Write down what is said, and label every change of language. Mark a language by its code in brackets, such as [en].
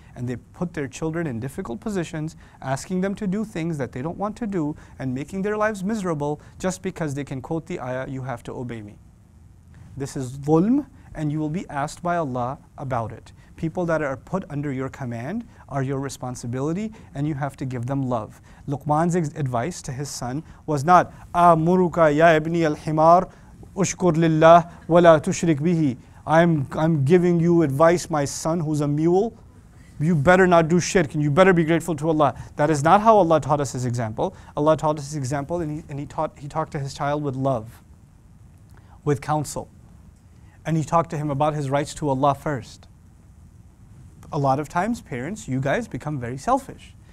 [en] And they put their children in difficult positions, asking them to do things that they don't want to do, and making their lives miserable just because they can quote the ayah, you have to obey me. This is dhulm, and you will be asked by Allah about it. People that are put under your command are your responsibility, and you have to give them love. Luqman's advice to his son was not, [ar] أَمُرُكَ يَا إِبْنِي الْحِمَارُ أُشْكُرْ لِلَّهِ وَلَا تُشْرِكْ بِهِ. [en] I'm giving you advice, my son who's a mule. You better not do shirk, and you better be grateful to Allah. That is not how Allah taught us his example. Allah taught us his example, and he talked to his child with love, with counsel. And he talked to him about his rights to Allah first. A lot of times, parents, you guys, become very selfish.